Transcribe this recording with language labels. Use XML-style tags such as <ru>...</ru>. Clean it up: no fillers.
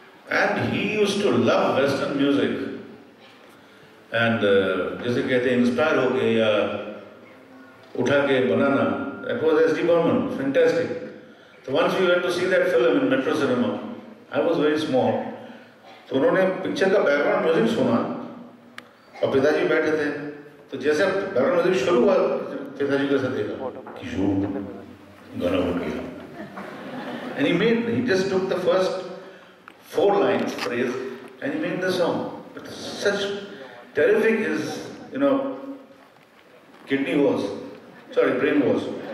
<en>And he used to love Western music. And</en> <hi>jaise kehte inspire hoke ya utha ke banana.</hi> <en>That was S.D. Barman, fantastic. So once we went to see that film in Metro Cinema, I was very small.</en> <hi>So उन्होंने picture का background music सुना और पिताजी बैठे थे. तो जैसे background music शुरू हुआ पिताजी के साथ देखा कि जो गाना बन गया.</hi> <en>And he just took the first four lines phrase and he made the song. But such terrific his, you know, brain was.</en>